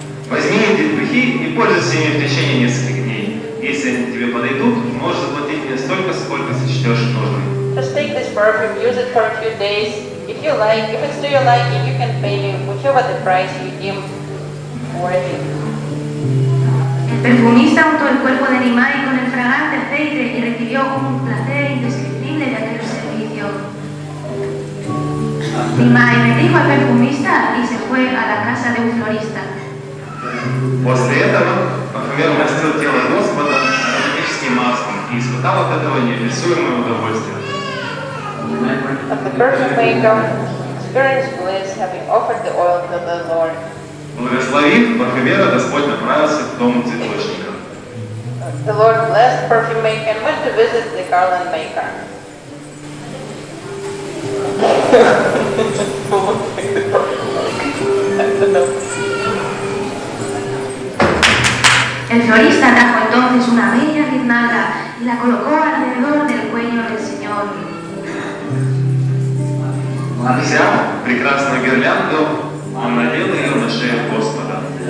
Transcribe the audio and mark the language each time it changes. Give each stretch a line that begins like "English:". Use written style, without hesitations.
Russian: Возьми эти духи и пользуйся ими в течение нескольких дней. Если они тебе подойдут, можешь заплатить мне столько, сколько сочтешь нужным.
English: Just take this perfume, use it for a few days. If you like, if it's to your liking, you can pay me whichever the price you deem worthy.
Spanish: El perfumista untó el cuerpo de Nimai con el fragante aceite y recibió un placer indescriptible de aquel servicio. Nimai le dijo al perfumista y se fue a la casa de un florista.
Russian: После этого парфюмер умастил тело Господа ароматическим маслом и испытал от этого неописуемое удовольствие.
English: But the perfume maker experienced bliss having offered the oil to the Lord.
Russian: Благословив парфюмера, Господь направился к дому цветочника.
English: The Lord blessed the perfume maker and went to visit the garland maker.
Spanish: El florista trajo entonces una bella guirnalda y la colocó alrededor del cuello del Señor.
Russian: Взял прекрасную гирлянду, он надел ее на шею Господа.